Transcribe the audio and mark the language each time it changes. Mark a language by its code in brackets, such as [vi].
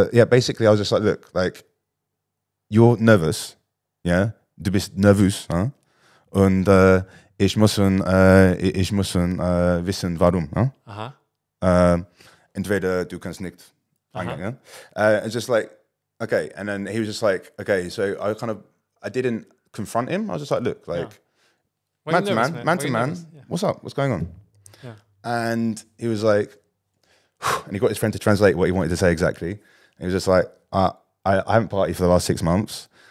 [en] Basically I was just like, look, like, you're nervous, yeah? [de] Du bist nervös, huh? Und ich muss wissen, warum, huh? Aha. Entweder du kannst nicht. [en] Uh-huh. Yeah? It's just like, okay. And then he was just like, okay. So I didn't confront him. I was just like, look, like, yeah. man to man, yeah. What's up? What's going on? Yeah. And he was like, and he got his friend to translate what he wanted to say exactly. And he was just like, I haven't partied for the last 6 months.